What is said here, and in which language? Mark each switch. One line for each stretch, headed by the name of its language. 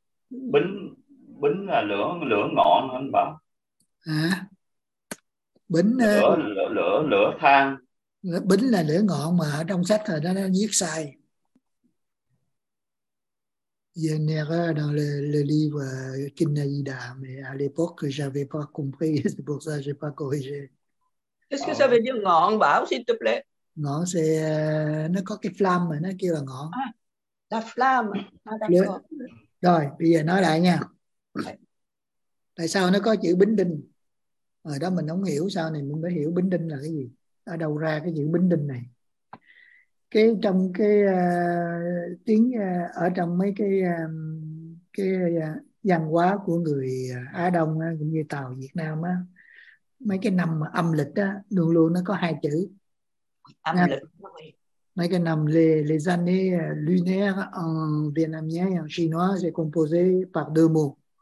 Vietnamese: Bính là lửa, lửa ngọn anh bảo. Hả? À, bính lửa, lửa lửa lửa than. Bính là lửa ngọn mà ở trong sách rồi nó viết sai.
French: Genre dans le livre Kinayida, mais à l'époque j'avais pas compris, c'est pour ça que j'ai pas corrigé. Qu'est-ce que ça veut dire
Vietnamese: ngọn bảo,
French: s'il te plaît?
Vietnamese: Ngọn
French: c'est
Vietnamese: nó có cái flamme mà nó kêu là ngọn.
French: À. La flamme. Ah, d'accord.
Vietnamese: Rồi, bây giờ nói lại nha. Tại sao nó có chữ bính đinh? Ở đó mình không hiểu sao này mình mới hiểu bính đinh là cái gì. Ở đâu ra cái chữ bính đinh này? Cái trong cái tiếng ở trong mấy cái văn hóa của người Á Đông cũng như Tàu Việt Nam á, mấy cái năm âm lịch á luôn luôn nó có hai chữ. Âm lịch. Mấy cái năm
French: les années lunaires en vietnamien et en chinois c'est composé par deux mots.